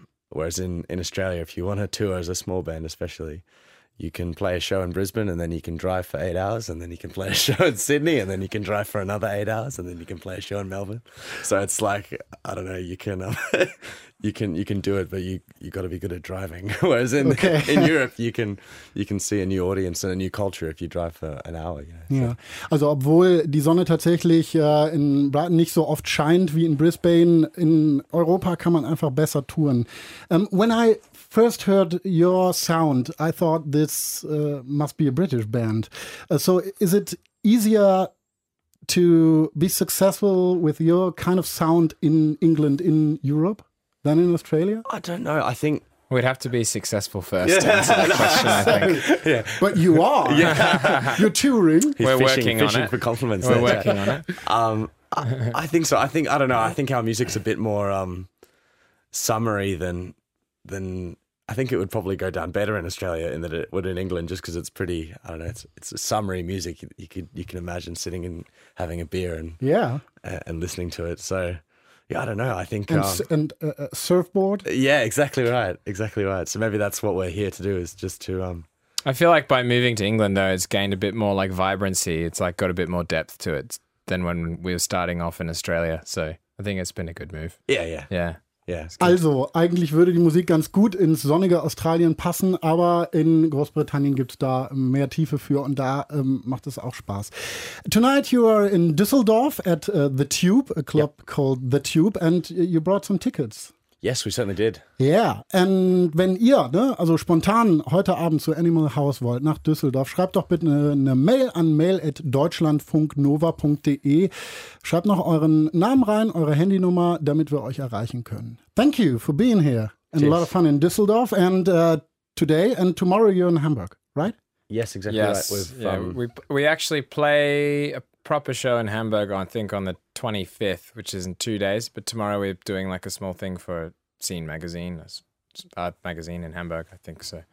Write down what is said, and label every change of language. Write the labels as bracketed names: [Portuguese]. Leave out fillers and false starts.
[English] Whereas in Australia, if you want to tour as a small band, especially, you can play a show in Brisbane and then you can drive for 8 hours, and then you can play a show in Sydney, and then you can drive for another 8 hours, and then you can play a show in Melbourne. So it's like, I don't know, you can you can do it, but you got to be good at driving. Whereas in Europe, you can see a new audience and a new culture if you drive for an hour. You know? [German] Ja, also obwohl die Sonne tatsächlich in Brighton nicht so oft scheint wie in Brisbane, in Europa kann man einfach besser touren. [English] When I first heard your sound, I thought this must be a British band. So is it easier to be successful with your kind of sound in England, in Europe, than in Australia? I don't know. I think we'd have to be successful first to answer that question, I think. Yeah. But you are. Yeah. You're touring. He's We're fishing on it. For compliments. We're working on it. I think so. I don't know. I think our music's a bit more summery than I think it would probably go down better in Australia in that it would in England, just because it's pretty, I don't know, it's a summery music. You can imagine sitting and having a beer and listening to it. So, yeah, I don't know. I think... And surfboard? Yeah, exactly right. Exactly right. So maybe that's what we're here to do, is just to... I feel like by moving to England, though, it's gained a bit more like vibrancy. It's like got a bit more depth to it than when we were starting off in Australia. So I think it's been a good move. Yeah. Yes, [German] also, eigentlich würde die Musik ganz gut ins sonnige Australien passen, aber in Großbritannien gibt es da mehr Tiefe für und da macht es auch Spaß. [English] Tonight you are in Düsseldorf at The Tube, a club called The Tube, and you brought some tickets. Yes, we certainly did. Yeah, and [German] wenn ihr, ne, also spontan heute Abend zu Animal House wollt nach Düsseldorf, schreibt doch bitte eine Mail an mail@deutschlandfunknova.de. Schreibt noch euren Namen rein, eure Handynummer, damit wir euch erreichen können. [English] Thank you for being here. And Cheers. A lot of fun in Düsseldorf. And today and tomorrow you're in Hamburg, right? Yes, exactly. Yes. Right. We actually play a proper show in Hamburg, I think, on the 25th, which is in 2 days, but tomorrow we're doing like a small thing for Scene magazine, a magazine in Hamburg, I think so.